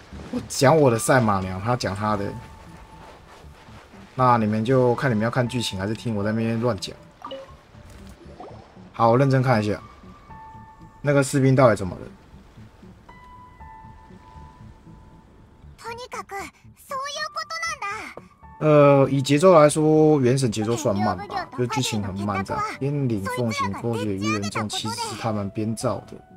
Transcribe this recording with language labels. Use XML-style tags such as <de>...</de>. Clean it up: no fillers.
<zh>我讲我的赛马娘，他讲他的。那你们就看你们要看剧情，还是听我在那边乱讲？好，我认真看一下，那个士兵到底怎么了？</zh> <ja>とにかくそういうことなんだ。</ja> <zh>以节奏来说，原神节奏算慢吧，就剧情很慢的。边领奉行勾结愚人众，其实是他们编造的。</zh>